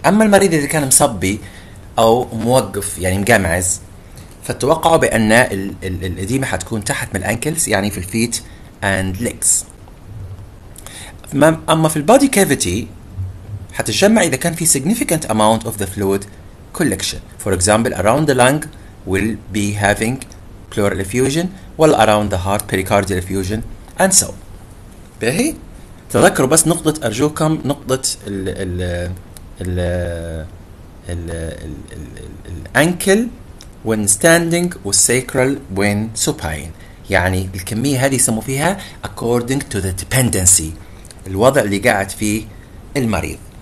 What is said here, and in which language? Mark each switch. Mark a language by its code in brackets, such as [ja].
[ar] أما المريض إذا كان مصبي أو موقف يعني مقامعز فتوقعوا بأن الإديمة هتكون تحت من الأنكلز يعني في الفيت [en] and legs. [ar] أما في البادي كافيتي هتتجمع إذا كان في [en] significant amount of the fluid collection. For example, around the lung will be having pleural effusion, while around the heart pericardial effusion, and so. بهي [ar] تذكروا بس نقطة، أرجوكم نقطة ال ال ال ال الأنكل وين ستاندينج والسيكرال وين سوباين، يعني الكمية هذه يسموا فيها [en] according to the dependency، [ar] الوضع اللي قاعد فيه المريض.